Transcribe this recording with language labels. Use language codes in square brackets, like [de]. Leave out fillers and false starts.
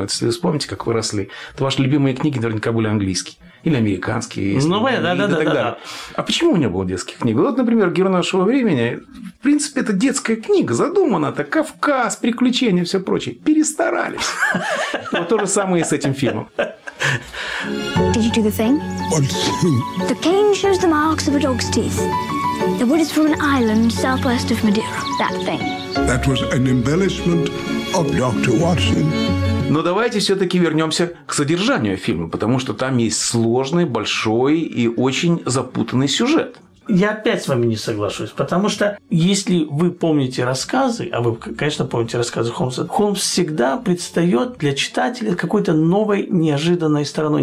[ru] Вот если вы вспомните, как вы росли, то ваши любимые книги наверняка были английские. Или американские. Ну, вы, да. А почему у него было детские книги? Вот, например, «Герой нашего времени». В принципе, это детская книга. Задумана это Кавказ, приключения и все прочее. Перестарались. Вот то же самое и с этим фильмом. [en] Did you do the thing? The cane shows the marks of a dog's teeth. The wood is from an island southwest of Madeira. That thing. That was an embellishment of Dr. Watson. [ru] Но давайте все-таки вернемся к содержанию фильма, потому что там есть сложный, большой и очень запутанный сюжет. Я опять с вами не соглашусь, потому что если вы помните рассказы, а вы, конечно, помните рассказы Холмса, Холмс всегда предстает для читателя какой-то новой, неожиданной стороной.